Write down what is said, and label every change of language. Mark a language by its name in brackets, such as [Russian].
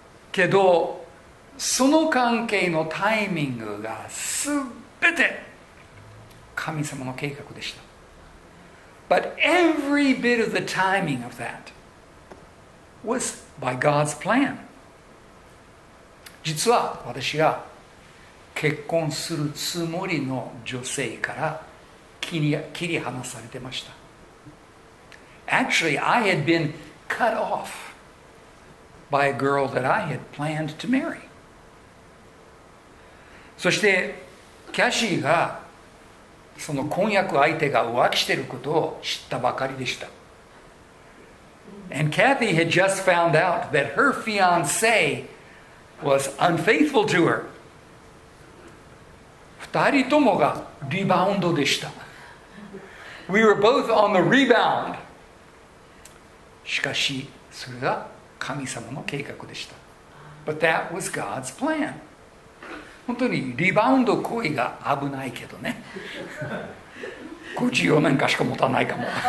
[Japanese] けど、その関係のタイミングがすべて神様の計画でした。 [English] But every bit of the timing of that was by God's plan. [Japanese] 実は私が結婚するつもりの女性から切り離されてました。 [English] Actually, I had been cut off by a girl that I had planned to marry. [Japanese] そしてキャシーがその婚約相手が浮気していることを知ったばかりでした。 [English] And Kathy had just found out that her fiancé was unfaithful to her. [Japanese] 二人ともがリバウンドでした。 [English] We were both on the rebound. [Japanese] しかし、それが神様の計画でした。 [English] But that was God's plan. [Japanese] 本当にリバウンド行為が危ないけどね。54年かしか持たないかも。